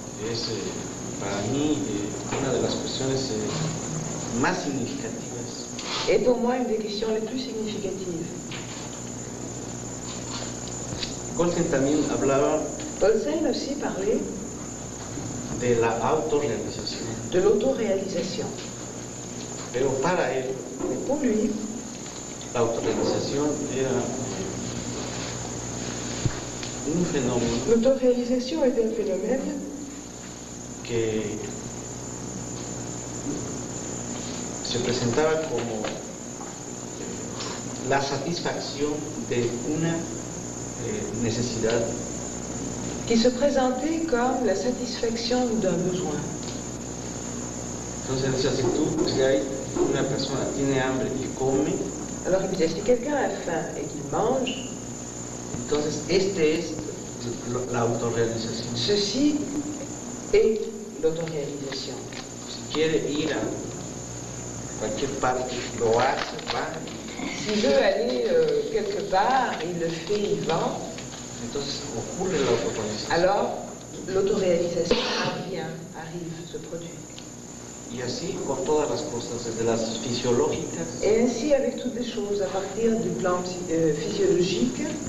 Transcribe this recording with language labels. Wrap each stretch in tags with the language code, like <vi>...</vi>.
<es>Es para mí una de las cuestiones más significativas.</es> <fr>Et pour moi une des questions les plus significatives.</fr> <es>Colsen también hablaba.</es> <fr>Colsen aussi parlait</fr> <es>de la autorrealización.</es> <fr>De l'autoréalisation.</fr> <es>Pero para él.</es> <fr>Mais pour lui.</fr> <es>La autorrealización era un fenómeno.</es> <fr>L'autoréalisation est un phénomène.</fr> <es>Que se presentaba como la satisfacción de una necesidad.</es> <fr>Qui se présentait comme la satisfaction d'un besoin.</fr> <es>Entonces, si tú, si hay una persona tiene hambre y come.</es> <fr>Alors, il dit, si quelqu'un a faim et qu'il mange.</fr> <es>Entonces, este es la autorrealización.</es> <fr>Ceci est l'autorrealisation.</fr> <es>Si quiere ir a cualquier parte, lo hace, va.</es> <fr>S'il veut aller quelque part, il le fait, il va.</fr> <es>Entonces, ocurre la autorrealización.</es> <fr>Alors, l'autoréalisation arrive, se produit.</fr> <es>Y así con todas las cosas, desde las fisiológicas.</es> <fr>Et ainsi avec toutes les choses, à partir du plan physiologique.</fr>